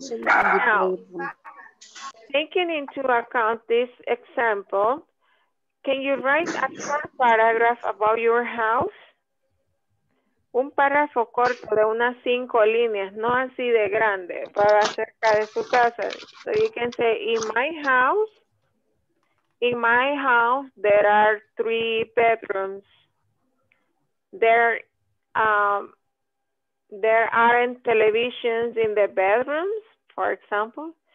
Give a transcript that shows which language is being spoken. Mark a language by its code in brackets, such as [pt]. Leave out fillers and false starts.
[en] Now, taking into account this example, can you write a short paragraph about your house? [es] Un párrafo corto de unas 5 líneas, no así de grande, para acerca de su casa. [en] So you can say, in my house, there are 3 bedrooms. There aren't televisions in the bedrooms, for example.